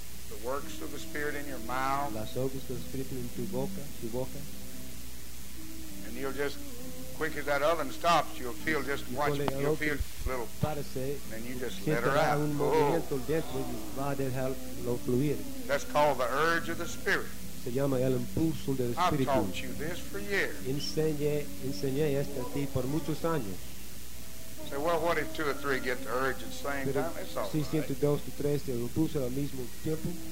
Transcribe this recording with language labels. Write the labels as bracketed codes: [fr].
[en] The works of the Spirit in your mouth. [es] Las obras del Espíritu en tu boca, su boca. [en] And you'll just, quick as that oven stops, you'll feel just watch, you'll feel a little. [es] Párese, [en] and then you just let her out. [es] Un movimiento dentro y va a dejarlo fluir. [en] That's called the urge of the Spirit. [es] Se llama el impulso del Espíritu. [en] I've taught you this for years. [es] Enseñé esto a ti por muchos años. [en] Say, well, what if two or three get the urge at the same [es] pero [en] time? It's all [es] si [en] right. [es] Siento dos o tres de impulso al mismo tiempo.